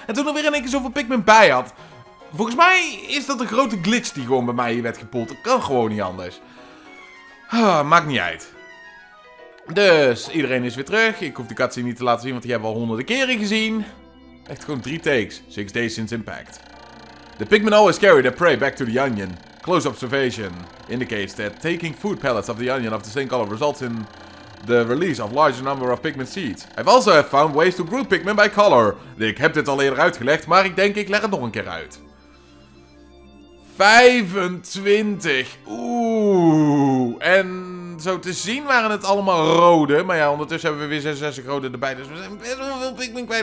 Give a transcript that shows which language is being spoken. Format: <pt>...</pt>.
<nl>En toen er weer in één keer zoveel Pikmin bij had. Volgens mij is dat een grote glitch die gewoon bij mij hier werd gepoeld. Dat kan gewoon niet anders. Maakt niet uit. Dus, iedereen is weer terug. Ik hoef de cutscene niet te laten zien, want die hebben we al honderden keren gezien. Echt gewoon 3 takes.</nl> <en>6 days since impact. The Pikmin always carry their prey back to the onion. Close observation indicates that taking food pellets of the onion of the same color results in the release of larger number of Pikmin seeds. I've also have found ways to group Pikmin by color.</en> <nl>Ik heb dit al eerder uitgelegd, maar ik denk ik leg het nog een keer uit. 25. Oeh. En zo te zien waren het allemaal rode. Maar ja, ondertussen hebben we weer 66 rode erbij. Dus we zijn best wel veel Pikmin kwijt.</nl>